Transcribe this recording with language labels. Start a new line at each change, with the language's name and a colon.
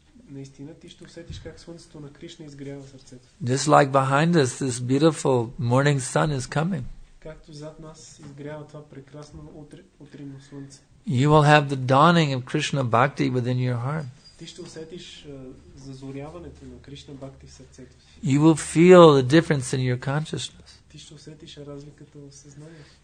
Bulgarian: Наистина ти ще усетиш как слънцето на Кришна изгрява сърцето.
English: Just like behind us, this beautiful morning sun is coming.
Bulgarian: Както зад нас изгрява това прекрасно утринно слънце.
English: You will have the dawning of Krishna Bhakti within your heart.
Bulgarian: Ти ще усетиш зазоряването на Кришна Бхакти в сърцето си.
English: You will feel the difference in your consciousness.
Bulgarian: Ти ще усетиш разликата в съзнанието.